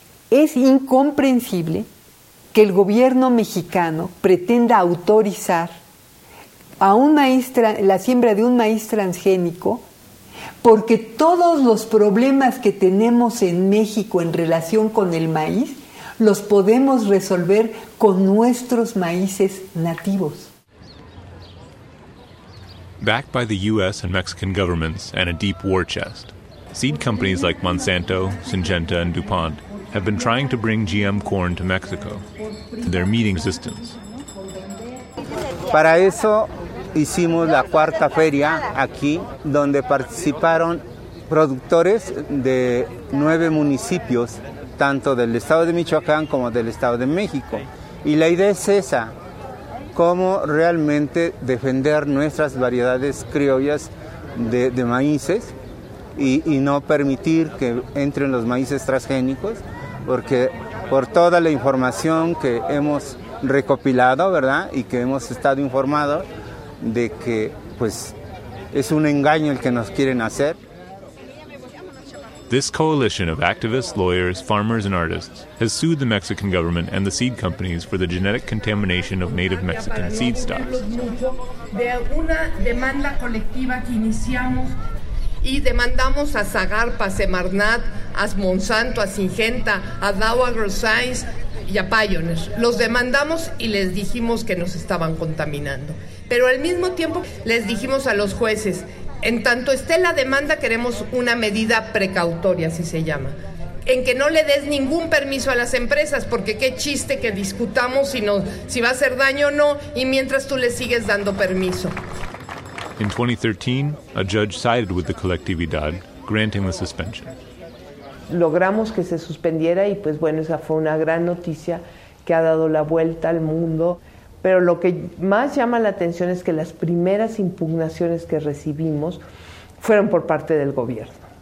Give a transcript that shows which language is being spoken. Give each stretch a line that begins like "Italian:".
Spanish: Es incomprensible que el gobierno mexicano pretenda autorizar a un maíz la siembra de un maíz transgénico, porque todos los problemas que tenemos en México en relación con el maíz los podemos resolver con nuestros maíces nativos.
English: Backed by the U.S. and Mexican governments and a deep war chest, seed companies like Monsanto, Syngenta, and DuPont have been trying to bring GM corn to Mexico, to their meeting systems.
Spanish: Para eso hicimos la cuarta feria aquí, donde participaron productores de 9 municipios, tanto del estado de Michoacán como del estado de México. Y la idea es esa: cómo realmente defender nuestras variedades criollas de maíces y no permitir que entren los maíces transgénicos, porque por toda la información que hemos recopilado, ¿verdad?, y que hemos estado informados de que, pues, es un engaño el que nos quieren hacer.
English: This coalition of activists, lawyers, farmers, and artists has sued the Mexican government and the seed companies for the genetic contamination of native Mexican seed stocks.
Spanish: De una demanda colectiva que iniciamos y demandamos a Zagarpa, Semarnat, a Monsanto, a Syngenta, a Dow AgroScience y a Pioneer. Los demandamos y les dijimos que nos estaban contaminando. Pero al mismo tiempo les dijimos a los jueces: en tanto esté la demanda, queremos una medida precautoria, así se llama, en que no le des ningún permiso a las empresas, porque qué chiste que discutamos si va a hacer daño o no, y mientras tú le sigues dando permiso.
English: In 2013, a judge sided with the colectividad, granting the suspension.
Spanish: Logramos que se suspendiera y, pues bueno, esa fue una gran noticia que ha dado la vuelta al mundo. Pero lo que más llama la atención es que las primeras impugnaciones que recibimos fueron por parte del gobierno.